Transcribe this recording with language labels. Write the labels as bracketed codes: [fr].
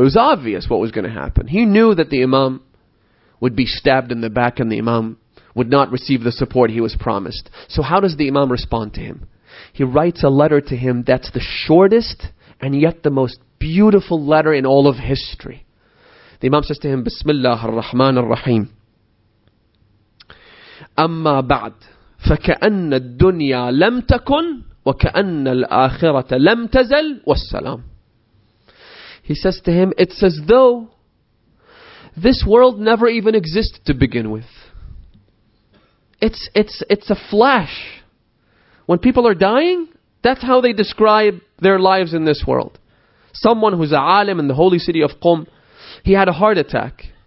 [en] It was obvious what was going to happen. He knew that the Imam would be stabbed in the back and the Imam would not receive the support he was promised. So how does the Imam respond to him? He writes a letter to him that's the shortest and yet the most beautiful letter in all of history. The Imam says to him, Bismillah ar-Rahman ar-Rahim. [ar] أما بعد فكأن الدنيا لم تكن وكأن الآخرة لم تزل والسلام. [en] He says to him, it's as though this world never even existed to begin with. It's a flash. When people are dying, that's how they describe their lives in this world. Someone who's a alim in the holy city of Qum, he had a heart attack.